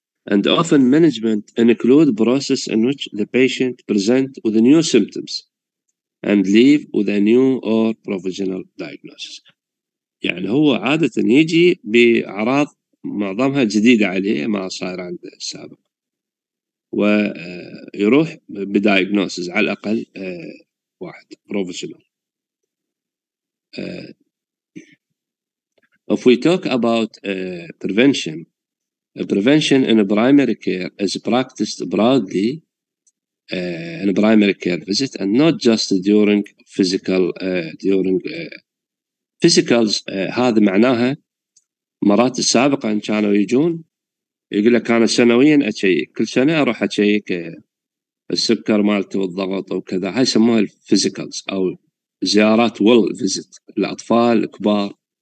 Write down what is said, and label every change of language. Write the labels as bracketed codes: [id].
[en] And often management include process in which the patient present with new symptoms and leave with a new or provisional diagnosis. [ar] يعني هو عادة يجي بأعراض معظمها جديدة عليه ما صار عند السابق ويروح بدايجنوسيس على الأقل واحد provisional. [en] If we talk about prevention, prevention in primary care is practiced broadly in primary care visit and not just during physical during physicals. [ar] هذا معناها مرات السابقة إن كانوا يجون يقول لك أنا سنوياً أشيك، كل سنة أروح أشيك السكر مالته والضغط وكذا، هاي يسموها الفيزيكالز أو زيارات ويل فيزيت الأطفال الكبار.